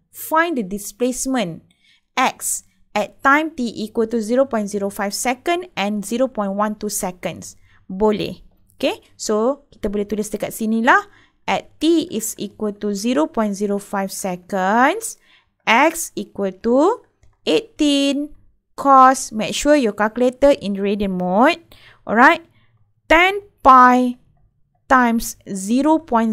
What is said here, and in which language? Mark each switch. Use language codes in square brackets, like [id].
[en] Find the displacement x at time t equal to 0.05 second and 0.12 seconds. [ms] Boleh. Okay, so kita boleh tulis dekat sinilah. [en] At t is equal to 0.05 seconds, x equal to 18 cos, make sure your calculator in radian mode, alright, 10 pi times 0.05.